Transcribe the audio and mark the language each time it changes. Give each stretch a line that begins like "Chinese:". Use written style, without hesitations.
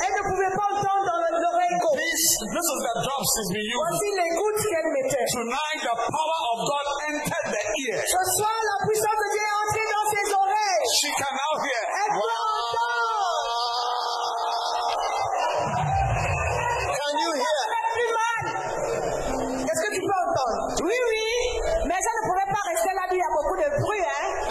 French: Elle ne pouvait pas entendre dans l'oreille gauche.
English: This is the drops she's been using.
French: Voici les gouttes qu'elle mettait.
English: Tonight, the power of God entered the ear.
French: Ce soir, la puissance de Dieu est entrée dans ses oreilles.
English: She can now hear.
French: Elle peut entendre.
English: Can you hear?
French: Est-ce que tu peux entendre? Oui, oui. Mais ça ne pouvait pas rester là, il y a beaucoup de bruit, hein.